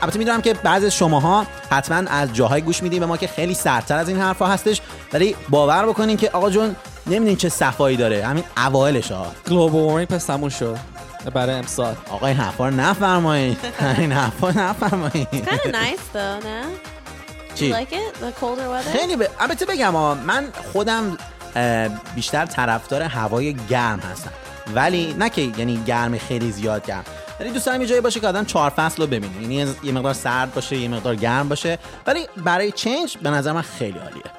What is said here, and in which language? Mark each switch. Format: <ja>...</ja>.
<fa>البته میدونم که بعضی از شماها حتما از جاهای گوش میدین به ما که خیلی سردتر از این حرفا هستش، ولی باور بکنین که آقا جون نمیدونین چه صفایی داره همین اوائلش. آقا گلوبال وارمینگ پس تموم شد برای امسال. آقا این حرفا رو نفرمایین، این حرفا نفرمایین.</fa> <en>It's kind of nice though, no? Do you like it? The colder weather?</en> <fa>خیلی البته بگم آقا من خودم بیشتر طرفدار هوای گرم هستم، ولی نه که یعنی گرم خیلی زیاد گرم، ولی دوست دارم یه جایی باشه که آدم چهار فصل رو ببینه، یعنی یه مقدار سرد باشه یه مقدار گرم باشه، ولی برای چنج به نظر من خیلی عالیه.</fa>